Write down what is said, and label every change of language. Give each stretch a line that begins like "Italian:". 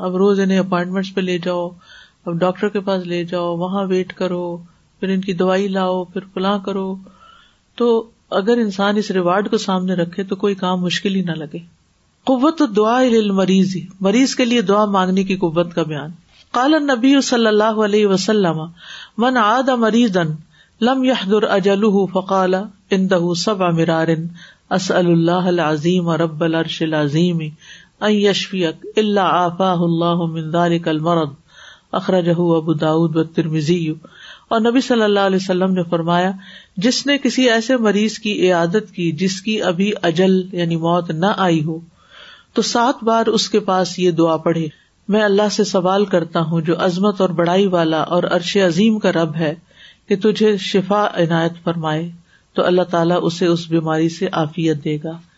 Urdu: اب روز انہیں اپوائنٹمنٹس پہ لے جاؤ، اب ڈاکٹر کے پاس لے جاؤ، وہاں ویٹ کرو، پھر ان کی دوائی لاؤ، پھر فلاں کرو. تو اگر انسان اس ریوارڈ کو سامنے رکھے تو کوئی کام مشکل ہی نہ لگے.
Arabic: قوت دعا للمریض،
Urdu: مریض کے لیے دعا مانگنے کی قوت کا بیان.
Arabic: قال النبی صلی اللہ علیہ وسلم من عاد مریضا لم يحضر اجله فقال عنده 7 مرار اسال الله العظیم رب العرش العظیم ان يشفيك الا عافاه الله من ذلك المرض، اخرجه ابو داود والترمذی.
Urdu: اور نبی صلی اللہ علیہ وسلم نے فرمایا جس نے کسی ایسے مریض کی عیادت کی جس کی ابھی اجل یعنی موت نہ آئی ہو تو 7 بار اس کے پاس یہ دعا پڑھے، میں اللہ سے سوال کرتا ہوں جو عظمت اور بڑائی والا اور عرش عظیم کا رب ہے کہ تجھے شفا عنایت فرمائے، تو اللہ تعالیٰ اسے اس بیماری سے عافیت دے گا.